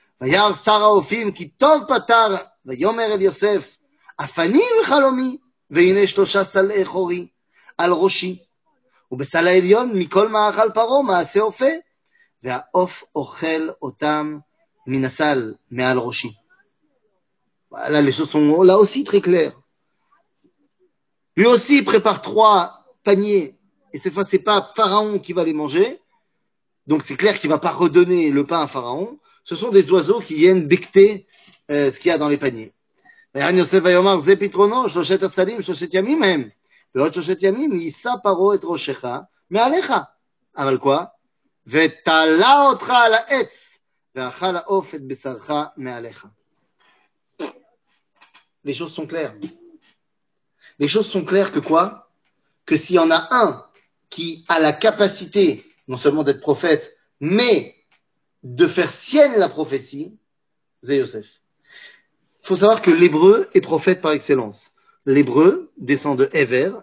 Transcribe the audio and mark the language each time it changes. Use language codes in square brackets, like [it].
[he] Vayar Sara Ofim Kitov Patar Vayomer El Yosef Afani Vichalomi Veine Shlosha Salei Chori על ראשי, ובסל העליון מכל מאכל פרעה מעשה אופה, והעוף אוכל אותם מן הסל מעל ראשי. [fr] Voilà, les choses sont là aussi très claires. Lui aussi prépare trois paniers, et cette fois, c'est pas Pharaon qui va les manger, donc c'est clair qu'il va pas redonner le pain à Pharaon, ce sont des oiseaux qui viennent becquer ce qu'il y a dans les paniers. [he] ויען יוסף ויאמר זה פתרונו שלושת הסלים שלושת ימים הם. ועוד שושת ימים, יישא פרעה את ראשך מעליך. אבל כוח, ותלה אותך על העץ, ואכל העוף את בשרך מעליך. [fr] Les choses sont claires. Les choses sont claires que quoi? Que s'il y en a un qui a la capacité, non seulement d'être prophète, mais de faire sienne la prophétie, c'est Yosef. Il faut savoir que l'hébreu est prophète par excellence. L'hébreu descend de Ever.